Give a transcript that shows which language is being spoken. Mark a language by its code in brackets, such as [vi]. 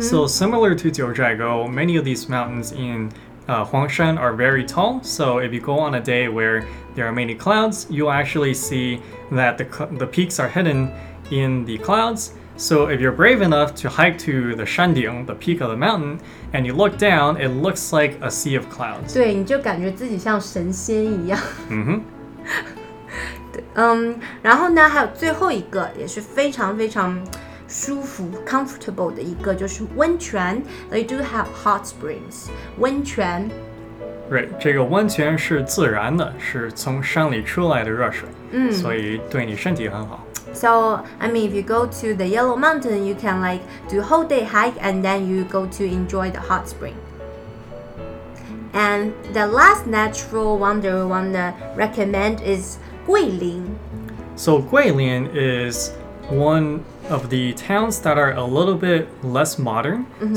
[en] So similar to 九寨沟, many of these mountains in Huangshan are very tall, so if you go on a day where there are many clouds, you'll actually see that the peaks are hidden in the clouds. So if you're brave enough to hike to the Shanding, the peak of the mountain, and you look down, it looks like a sea of clouds. [zh] 对，你就感觉自己像神仙一样。嗯哼。然后呢，还有最后一个也是非常非常舒服 comfortable 的一个就是温泉。 [en] They do have hot springs. 温泉。 [zh] Right, 这个温泉是自然的，是从山里出来的热水，所以对你身体很好。 [en] So, I mean, if you go to the Yellow Mountain, you can like do whole day hike and then you go to enjoy the hot spring. And the last natural wonder we want to recommend is Guilin. So Guilin is one of the towns that are a little bit less modern. Mm-hmm.